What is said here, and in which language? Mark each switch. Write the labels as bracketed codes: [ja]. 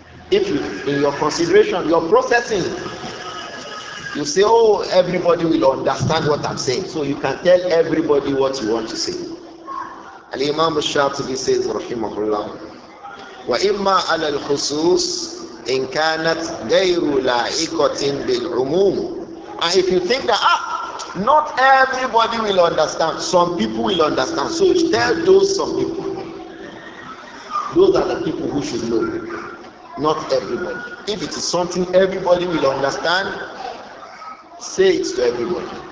[en] If you, in your consideration, your processing, you say, oh, everybody will understand what I'm saying. So you can tell everybody what you want to say. Al-Imam al-Shatibi says, [ar] Rahimahullah, وَإِمَّا عَلَى الْخُصُوصِ إِنْ كَانَتْ غَيْرُ لَعِكَةٍ بِالْعُمُومِ. [en] And if you think that, not everybody will understand, some people will understand. So tell those some people. Those are the people who should know. Not everybody. If it is something everybody will understand, say it to everybody.